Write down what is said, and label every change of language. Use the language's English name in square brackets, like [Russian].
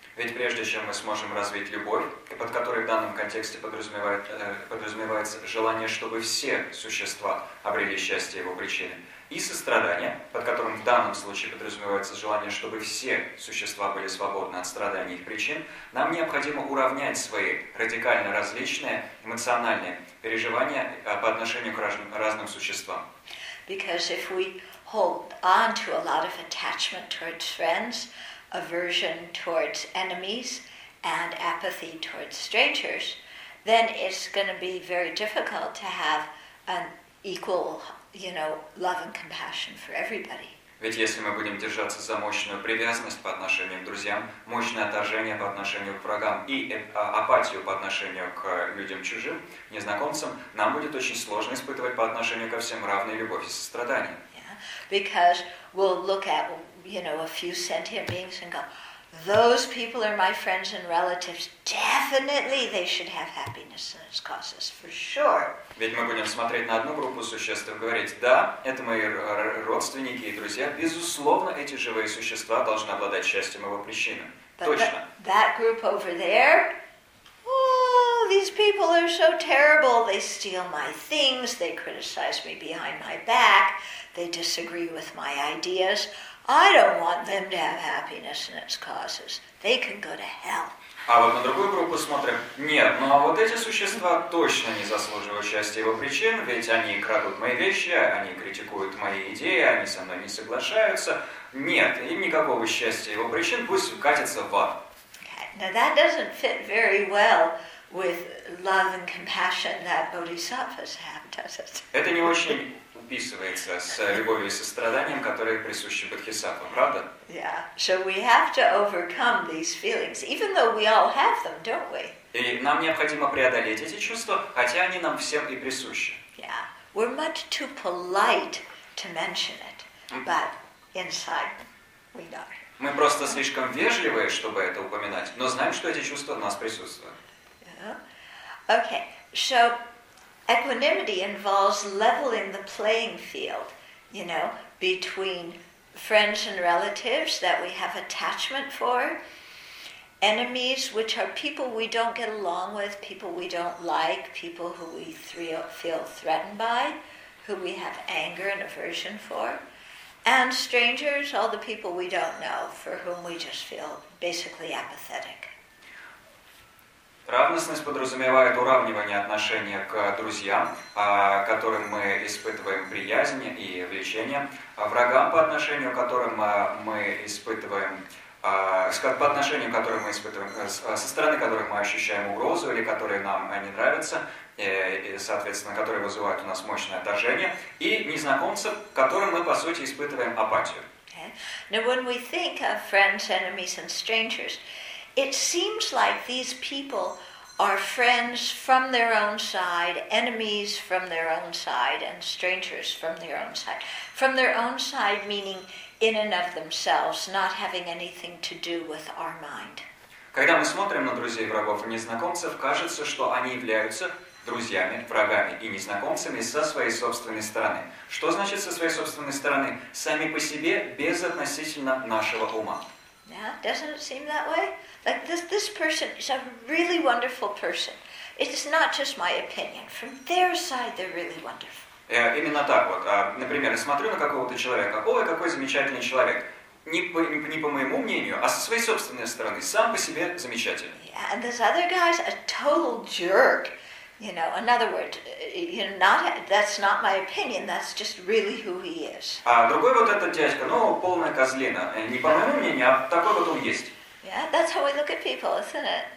[Russian] Ведь прежде чем мы сможем развить любовь, под которой в данном контексте подразумевается желание, чтобы все существа обрели счастье его причины, и сострадание, под которым в данном случае подразумевается желание, чтобы все существа были свободны от страданий и их причин, нам необходимо уравнять свои радикально различные эмоциональные переживания по отношению к разным существам. [English] Because if we hold on to a lot of attachment towards friends, aversion towards enemies, and apathy towards strangers, then it's going to be very difficult to have an equal, you know, love and compassion for everybody. [Russian] Ведь если мы будем держаться за мощную привязанность по отношению к друзьям, мощное отторжение по отношению к врагам и апатию по отношению к людям чужим, незнакомцам, нам будет очень сложно испытывать по отношению ко всем равные любовь и сострадание. [English] Yeah, because we'll look at, you know, a few sentient beings and go, those people are my friends and relatives. Definitely they should have happiness and its causes, for sure. [Russian] Ведь мы будем смотреть на одну группу существ и говорить, да, это мои родственники и друзья. Безусловно, эти живые существа должны обладать счастьем его причинами. [English] But that group over there, these people are so terrible. They steal my things. They criticize me behind my back. They disagree with my ideas. I don't want them to have happiness and its causes. They can go to hell. [Russian] А вот на другую группу смотрим. Нет, ну а вот эти существа точно не заслуживают счастья его причин, ведь они крадут мои вещи, они критикуют мои идеи, они со мной не соглашаются. Нет, им никакого счастья его причин, пусть катятся в ад. [English] Okay. Now that doesn't fit very well with love and compassion that bodhisattvas have, does it? [Russian] Это не очень вписывается с любовью и состраданием, которые присущи бодхисаттвам, правда? [English] Yeah. So we have to overcome these feelings, even though we all have them, don't we? [Russian] И нам необходимо преодолеть эти чувства, хотя они нам всем и присущи. [English] Yeah. We're much too polite to mention it, but inside we know. [Russian] Мы просто слишком вежливые, чтобы это упоминать, но знаем, что эти чувства в нас присутствуют. [English] Yeah. Okay. So equanimity involves leveling the playing field, you know, between friends and relatives that we have attachment for, enemies, which are people we don't get along with, people we don't like, people who we feel threatened by, who we have anger and aversion for, and strangers, all the people we don't know, for whom we just feel basically apathetic. [Russian] Равностность подразумевает уравнивание отношения к друзьям, которым мы испытываем приязнь и влечение, врагам, по отношению к которым мы испытываем, по отношению к которым мы испытываем, со стороны которых мы ощущаем угрозу или которые нам не нравятся, и, соответственно, которые вызывают у нас мощное отторжение, и незнакомцам, которым мы, по сути, испытываем апатию. [English] Now, when we think of friends, enemies, and strangers, it seems like these people are friends from their own side, enemies from their own side, and strangers from their own side. From their own side meaning in and of themselves, not having anything to do with our mind. [Russian] Когда мы смотрим на друзей, врагов и незнакомцев, кажется, что они являются друзьями, врагами и незнакомцами со своей собственной стороны. Что значит со своей собственной стороны? Сами по себе, без относительно нашего ума. [English] Yeah, doesn't it seem that way? Like this person is a really wonderful person. It's not just my opinion. From their side, they're really wonderful. [Russian] Именно так вот. Например, я смотрю на какого-то человека. Ой, какой замечательный человек. Не по моему мнению, а со своей собственной стороны. Сам по себе замечательный. [English] Yeah, and this other guy's a total jerk. You know, in other words, you know, that's not my opinion, that's just really who he is. [Russian] А другой вот этот дядька, ну, полная козлина. Не по моему мнению, а такой вот он есть. [English] Yeah, that's how we look at people, isn't it?